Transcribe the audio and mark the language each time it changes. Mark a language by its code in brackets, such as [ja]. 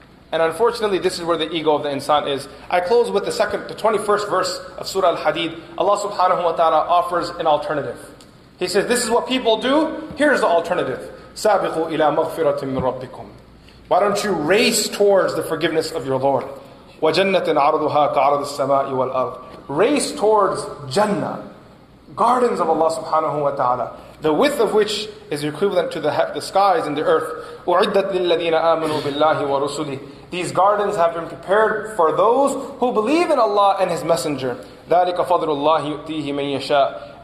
[en] And unfortunately, this is where the ego of the insan is. I close with the 21st verse of Surah Al-Hadid. Allah subhanahu wa ta'ala offers an alternative. He says, this is what people do, here's the alternative. [ar] سَابِقُوا إِلَى مَغْفِرَةٍ مِّن رَبِّكُمْ [en] Why don't you race towards the forgiveness of your Lord? [ar] وَجَنَّةٍ عَرْضُهَا كَعْرَضِ السَّمَاءِ وَالْأَرْضِ [en] Race towards Jannah. gardens of Allah subhanahu wa ta'ala, the width of which is equivalent to the skies and the earth. [ar] أُعِدَّتْ لِلَّذِينَ آمَنُوا بِاللَّهِ وَرُسُلِهِ. [en] These gardens have been prepared for those who believe in Allah and His Messenger. [ar] ذَلِكَ فَضْلُ اللَّهِ يُؤْتِيهِ مَنْ يَشَاءُ.